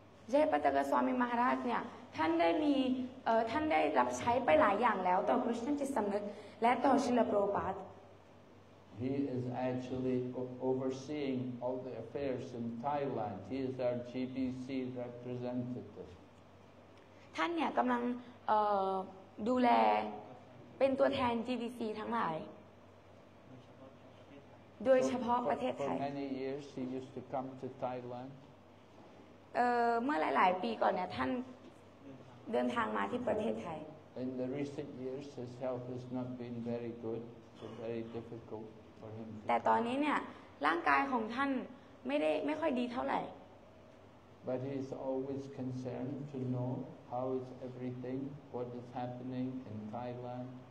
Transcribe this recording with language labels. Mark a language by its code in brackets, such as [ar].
[en] Jayaprakasha Swami Maharaj, he has been used to many things for Krishna consciousness and for Srila Prabhupada. He is actually overseeing all the affairs in Thailand. He is our GBC representative. [th] ท่านเนี่ยกำลังดูแลเป็นตัวแทน GDC ทั้งหลายโดยเฉพาะประเทศไทย [en] For many years he used to come to Thailand [th] เมื่อหลายๆปีก่อนเนี่ยท่านเดินทางมาที่ประเทศไทย [en] In the recent years his health has not been very good so very difficult for him [th] แต่ตอนนี้เนี่ยร่างกายของท่านไม่ค่อยดีเท่าไหร่ [en] But he is always concerned to knowHow is everything? What is happening in Thailand?